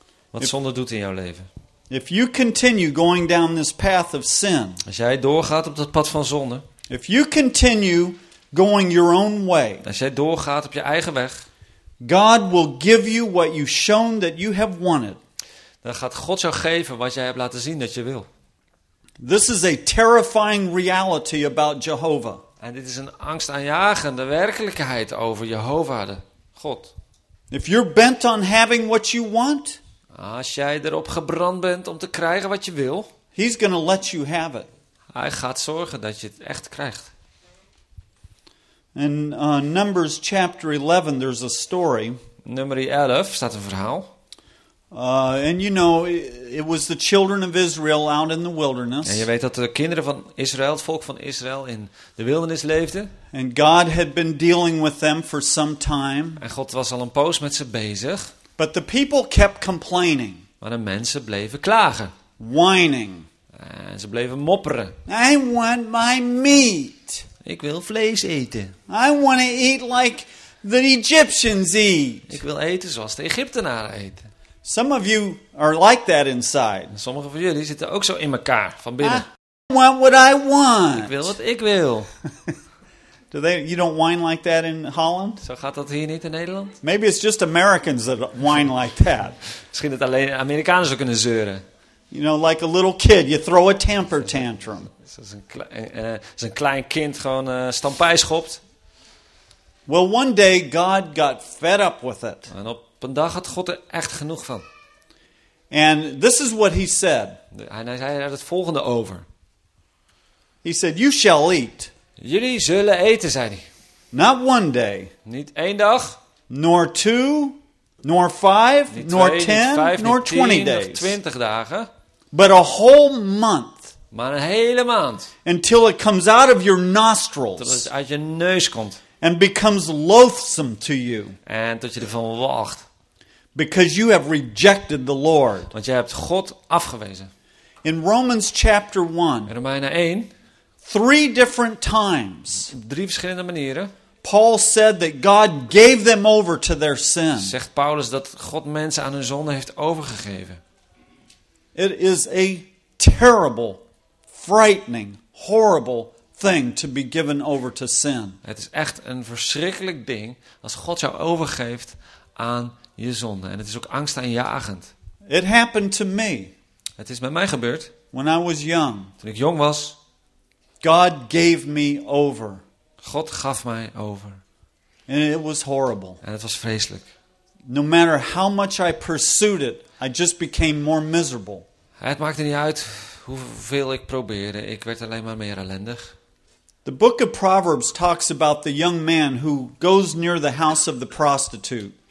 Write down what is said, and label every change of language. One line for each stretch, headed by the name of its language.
Dutch: Wat zonde doet in jouw leven?
English: If you continue going down this path of sin.
Dutch: Als jij doorgaat op dat pad van zonde.
English: If you continue going your own way.
Dutch: Als jij doorgaat op je eigen weg.
English: God will give you what you've shown that you have wanted.
Dutch: Dan gaat God jou geven wat jij hebt laten zien dat je wil.
English: This is a terrifying reality about Jehovah.
Dutch: En dit is een angstaanjagende werkelijkheid over Jehovah, de God.
English: If you're bent on having what you want,
Dutch: als jij erop gebrand bent om te krijgen wat je wil,
English: he's gonna let you have it.
Dutch: Hij gaat zorgen dat je het echt krijgt.
English: In Numbers chapter 11, there's a story.
Dutch: Nummer 11 staat een verhaal.
English: And you know, it was the children of Israel out in the wilderness.
Dutch: En je weet dat de kinderen van Israël, het volk van Israël, in de wildernis leefden.
English: And God had been dealing with them for some time.
Dutch: En God was al een poos met ze bezig.
English: But the people kept complaining.
Dutch: Maar de mensen bleven klagen.
English: Whining.
Dutch: En ze bleven mopperen.
English: I want my meat.
Dutch: Ik wil vlees eten.
English: I want to eat like the Egyptians eat.
Dutch: Ik wil eten zoals de Egyptenaren eten.
English: Some of you are like that inside.
Dutch: Sommige van jullie zitten ook zo in elkaar van binnen.
English: I want what I want.
Dutch: Ik wil wat ik wil.
English: Do they? You don't whine like that in Holland?
Dutch: Zo gaat dat hier niet in Nederland?
English: Maybe it's just Americans that whine like that.
Dutch: Misschien dat alleen Amerikanen zo kunnen zeuren.
English: You know, like a little kid, you throw a temper tantrum.
Dutch: Zoals een klein kind gewoon stampij schopt.
English: Well, one day God got fed up with it.
Dutch: En op een dag had God er echt genoeg van.
English: And this is what he said.
Dutch: Hij zei er het volgende over.
English: He said, "You shall eat."
Dutch: Jullie zullen eten, zei hij.
English: Not one day.
Dutch: Niet één dag.
English: Nor two. Nor five,
Dutch: twee,
English: nor ten,
Dutch: vijf,
English: nor 20 days.
Dutch: 20 dagen.
English: But a whole month.
Dutch: Maar een hele maand.
English: Until it comes out of your nostrils.
Dutch: Tot het uit je neus komt.
English: And becomes loathsome to you.
Dutch: En tot je ervan wacht.
English: Because you have rejected the Lord.
Dutch: Want je hebt God afgewezen.
English: In Romans chapter 1.
Dutch: In Romeinen 1.
English: Three different times.
Dutch: Drie verschillende manieren.
English: Paul said that God gave them over to their sin.
Dutch: Zegt Paulus dat God mensen aan hun zonde heeft overgegeven.
English: It is a terrible, frightening, horrible thing to be given over to sin.
Dutch: Het is echt een verschrikkelijk ding als God jou overgeeft aan je zonde. En het is ook angstaanjagend.
English: It happened to me.
Dutch: Het is met mij gebeurd.
English: When I was young.
Dutch: Toen ik jong was.
English: God gave me over.
Dutch: God gaf mij over.
English: And it was horrible.
Dutch: En het was vreselijk.
English: No matter how much I pursued it, I just became more miserable.
Dutch: Het maakte niet uit hoeveel ik probeerde. Ik werd alleen maar meer ellendig.
English: The book of Proverbs talks about the young man who goes near the house of the prostitute.